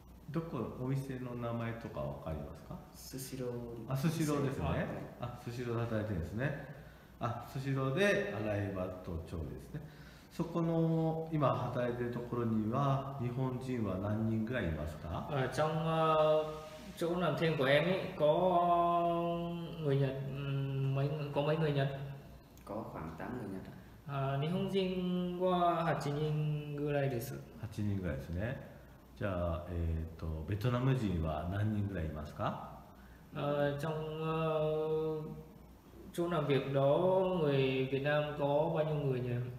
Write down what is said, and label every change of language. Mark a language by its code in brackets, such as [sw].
[ja] どこお店の名前とかわかりますか？寿司ロー。あ、寿司ローですね。あ、寿司ローで働いてるんですね。あ、寿司ローで洗い場と調理ですね。そこの今働いているところには日本人は何人ぐらいいますか？ [vi] trong chỗ làm thêm của em ấy có người Nhật, có mấy người Nhật? Có khoảng 8 người Nhật. [ja] 日本人は8人ぐらいです。 8人ぐらいですね。じゃあ、ベトナム人は何人ぐらいいますか？ [vi] trong chỗ làm việc đó người Việt Nam có bao nhiêu người nhỉ?